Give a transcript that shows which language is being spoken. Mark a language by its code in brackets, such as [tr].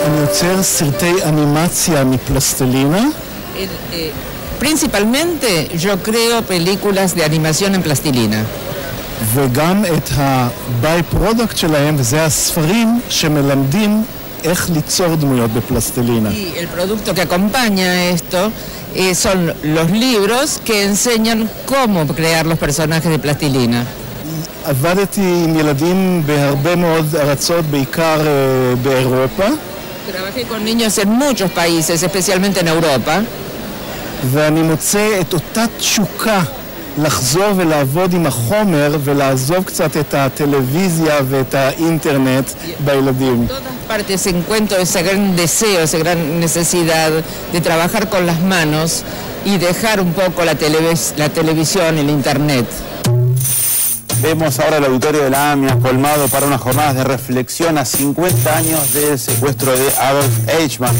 [es] Hacer cierta animación mi plastilina. Principalmente yo creo películas de animación en plastilina. [he] וגם את ה-by-product שלהם, וזה הספרים שמלמדים איך ליצור דמויות בפלסטלינה. [es] Y el producto que acompaña esto son los libros que enseñan cómo crear los personajes de plastilina. [he] עבדתי עם ילדים בהרבה מאוד ארצות, בעיקר באירופה. [es] Trabajé con niños en muchos países, especialmente en Europa. [he] ואני מוצא את אותה תשוקה לחזור ולעבוד עם החומר ולעזוב קצת את הטלוויזיה ואת האינטרנט בילדים. [es] Todas partes encuentro ese gran deseo, esa gran necesidad de trabajar con las manos y dejar un poco la televisión, el internet. Vemos ahora el auditorio de la AMIA colmado para unas jornadas de reflexión a 50 años del secuestro de Adolf Eichmann.